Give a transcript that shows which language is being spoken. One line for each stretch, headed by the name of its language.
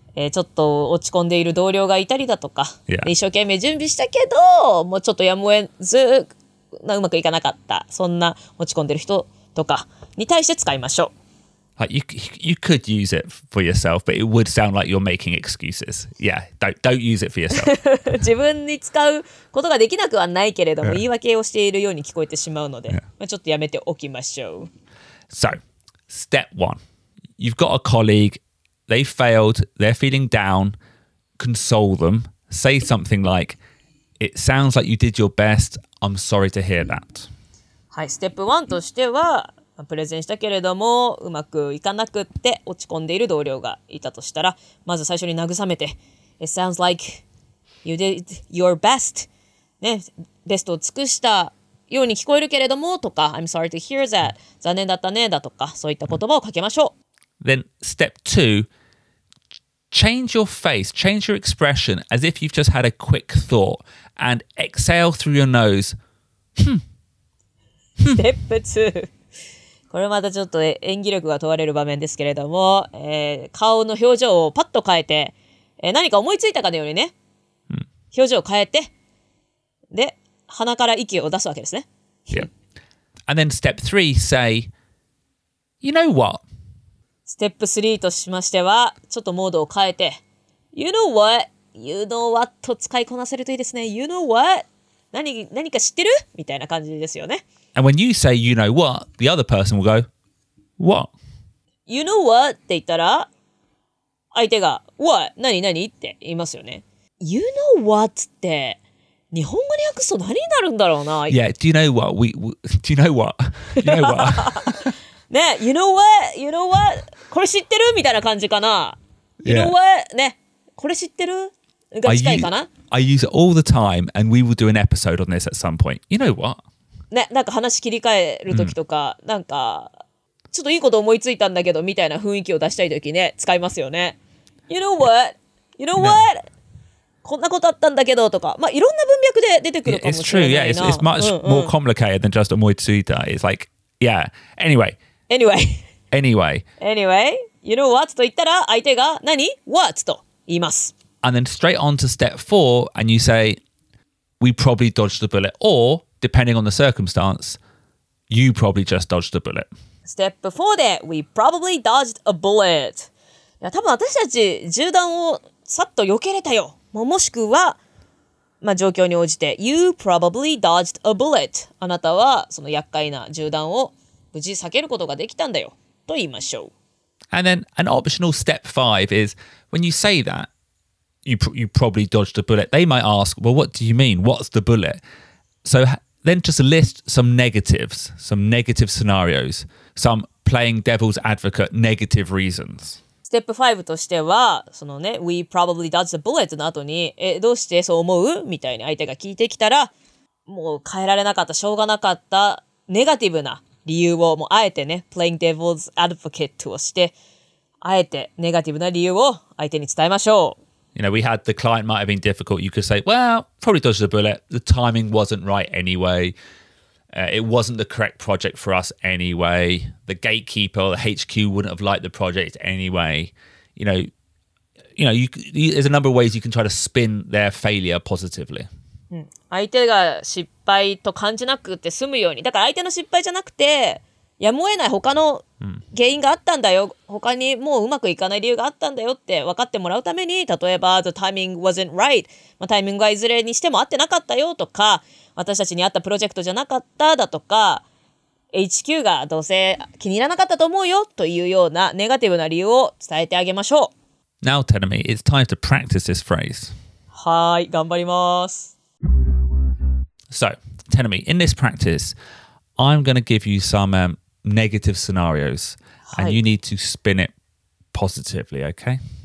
Japanese: ちょっと落ち込んでいる同僚がいたりだとか、
English: yeah.
Japanese: 一生懸命準備したけど、もうちょっとやむを得ず、うまくいかなかった。そんな落ち込んでる人とかに対して使いましょう。
English: Like、you could use it for yourself, but it would sound like you're making excuses. Yeah, don't use it for yourself.
Japanese: 自分に使うことができなくはないけれども、yeah. 言い訳をしているように聞こえてしまうので、yeah. まあちょっとやめておきましょう。
English: So, step one. You've got a colleague. They failed. They're feeling down. Console them. Say something like, It sounds like you did your best. I'm sorry to hear that.
Japanese: はい、ステップワンとしては、プレゼンしたけれどもうまくいかなくって落ち込んでいる同僚がいたとしたら、まず最初に慰めて
English: It sounds like you did your best、
Japanese: ね、ベストを尽くしたように聞こえるけれどもとか
English: I'm sorry to hear that
Japanese: 残念だったねだとか、そういった言葉をかけましょう。
English: Then step two, change your face, change your expression as if you've just had a quick thought and exhale through your nose. Step two、
Japanese: これまたちょっと演技力が問われる場面ですけれども、顔の表情をパッと変えて、何か思いついたかのようにね、表情を変えて、で、鼻から息を出すわけですね。
English: Yeah. And then step three, say, you know what?
Japanese: ステップ3としましては、ちょっとモードを変えて、
English: You know what? You know what?
Japanese: と使いこなせるといいですね。
English: You know what?
Japanese: 何か知ってる? みたいな感じですよね。
English: And when you say, you know what, the other person will go, what? You know what?
Japanese: って言ったら、相手が、
English: what?
Japanese: 何何って言いますよね。
English: You know what?
Japanese: って、日本語に訳すと何になるんだろうな。
English: Yeah, do you know what? Do you know what? You know what? ね、you know what? You know what?
Japanese: これ知ってる?みたいな感じかな。
English: You know what?
Japanese: ね、これ知ってる?が近いかな。
English: I use it all the time, and we will do an episode on this at some point. You know what?
Japanese: ね、なんか話切り替えるときとか、うん、なんかちょっといいこと思いついたんだけどみたいな雰囲気を出したいときね、使いますよね。
English: You know what? You know what?、
Japanese: ね、こんなことあったんだけどとか、まあいろんな文脈で出てくるかもしれないな。
English: It's true, yeah. It's much more complicated than just
Japanese: 思いついた.
English: It's like, yeah. Anyway. You know what?
Japanese: と言ったら相手が何?
English: What?
Japanese: と言います。
English: And then straight on to step four, and you say, we probably dodged the bullet. Or, depending on the circumstance, you probably just dodged the bullet. Step four で we probably dodged a bullet.
Japanese: いや、多分私たち銃弾をさっと避けれたよ。もしくは、まあ、状況に応じて
English: You probably dodged a bullet.
Japanese: あなたはその厄介な銃弾を無事避けることができたんだよと言いましょう。
English: And then an optional step five is when you say that you probably dodged a bullet, they might ask, well, what do you mean? What's the bullet? So then just list some negative scenarios, some playing devil's advocate negative reasons.
Japanese: ステップ5としては、そのね、
English: We probably dodged a bullet
Japanese: の後に、え、どうしてそう思う? みたいに相手が聞いてきたら、もう変えられなかった、しょうがなかった、ネガティブな理由を、もうあえてね、
English: playing devil's advocate
Japanese: をして、あえてネガティブな理由を相手に伝えましょう。
English: You know, we had the client might have been difficult. You could say, well, probably dodged a bullet. The timing wasn't right anyway. It wasn't the correct project for us anyway. The gatekeeper, the HQ, wouldn't have liked the project anyway. You know, there's a number of ways you can try to spin their failure positively.
Japanese: 相手が失敗と感じなくて済むように。だから相手の失敗じゃなくて、やむを得ない他の原因があったんだよ。他にもううまくいかない理由があったんだよって分かってもらうために、例えば、
English: the timing wasn't right.
Japanese: まあ、タイミングはいずれにしても合ってなかったよとか、私たちに合ったプロジェクトじゃなかっただとか、HQ がどうせ気に入らなかったと思うよというようなネガティブな理由を伝えてあげましょう。
English: Now, Tenami, it's time to practice this phrase.
Japanese: はい、頑張ります。
English: So, Tenami, in this practice, I'm going to give you some negative scenarios,、はい、and you need to spin it positively, okay?